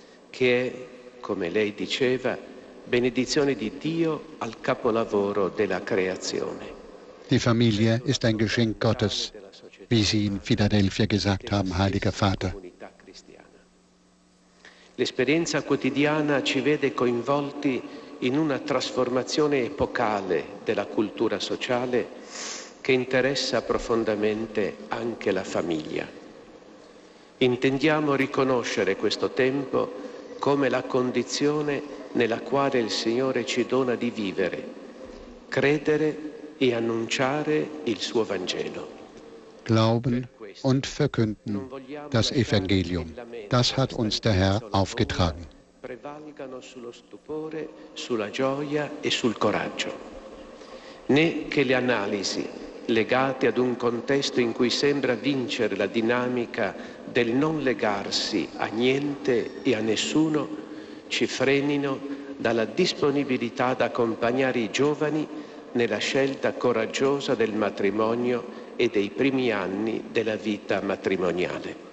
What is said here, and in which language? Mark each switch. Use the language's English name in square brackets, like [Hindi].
[Italian] Che è, come lei diceva, benedizione di Dio al capolavoro della creazione. [German] Die Familie ist ein Geschenk Gottes, wie Sie in Philadelphia gesagt haben, Heiliger Vater. [Italian] L'esperienza quotidiana ci vede coinvolti in una trasformazione epocale della cultura sociale che interessa profondamente anche la famiglia. Intendiamo riconoscere questo tempo come la condizione nella quale il Signore ci dona di vivere, credere e annunciare il suo Vangelo. [German] Glauben und verkünden das Evangelium. Das hat uns der Herr aufgetragen. [Italian] Prevalgano sullo stupore, sulla gioia e sul coraggio. Né che le analisi legate ad un contesto in cui sembra vincere la dinamica del non legarsi a niente e a nessuno ci frenino dalla disponibilità ad accompagnare i giovani nella scelta coraggiosa del matrimonio e dei primi anni della vita matrimoniale.